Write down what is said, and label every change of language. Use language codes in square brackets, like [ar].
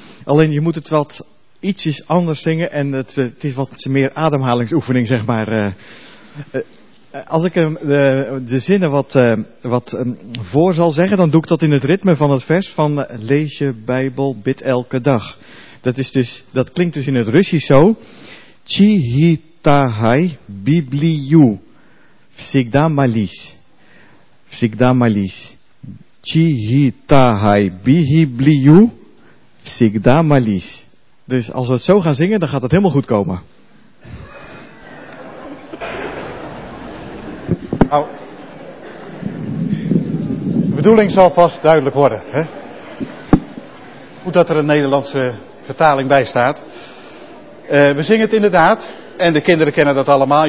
[nl] Alleen je moet het wat ietsjes anders zingen en het is wat meer ademhalingsoefening, zeg maar. Als ik de zinnen wat voor zal zeggen, dan doe ik dat in het ritme van het vers van lees je Bijbel, bid elke dag. Dat klinkt dus in het Russisch zo. [ru] Чихитай Библию всегда молись. Всегда молись. Чихитай Библию всегда молись. [nl] Dus als we het zo gaan zingen, dan gaat het helemaal goed komen. Nou, de bedoeling zal vast duidelijk worden, hè? Goed dat er een Nederlandse vertaling bij staat. We zingen het inderdaad, en de kinderen kennen dat allemaal.